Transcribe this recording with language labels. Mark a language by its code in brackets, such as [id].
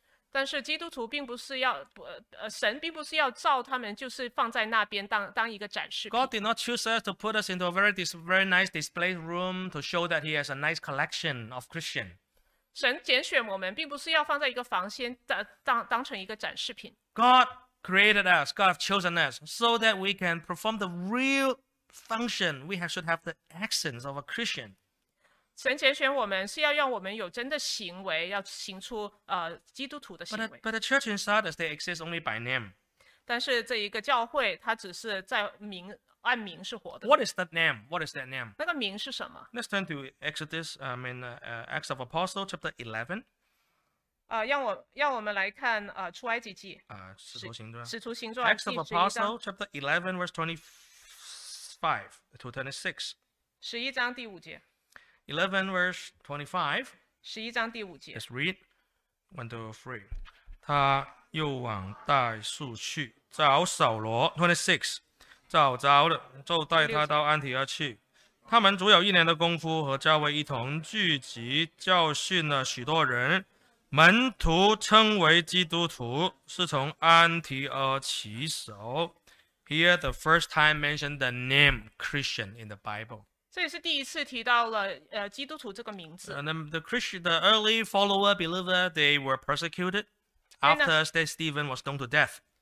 [zh] 但是基督徒并不是要神并不是要造他们就是放在那边 当一个展示品。 [en] God did not choose us to put us into a very nice display room to show that he has a nice collection of Christian. [zh] 神拣选我们并不是要放在一个房间 当成一个展示品。 [en] God created us, God has chosen us, so that we can perform the real function we should have the essence of a Christian. [zh] 神拣选我们是要让我们有真的行为，要行出基督徒的行为。 [en] But the church in Sardis, they exist only by name. [zh] 但是这一个教会，它只是在名按名是活的。 [en] What is that name? What is that name? [zh] 那个名是什么 [en] ？Let's turn to Exodus, Acts of Apostles, chapter 11. [zh] 让我们来看出埃及记。使徒行传。 [en] Acts of Apostles, chapter 11, verse 25 to 26. [zh] 十一章第五节。 [en] 11 verse 25, [zh] 十一章第五节。 [en] Let's read 1-3. [zh] 他又往大树去找扫罗 ,26, 找着了就带他到安提阿去。他们足有一年的功夫和教会一同聚集教训了许多人。门徒称为基督徒是从安提阿起手。 [en] Here the first time mentioned the name Christian in the Bible. [zh] 这也是第一次提到了基督徒这个名字。 [en] The early follower believer, they were persecuted after Stephen was stoned to death.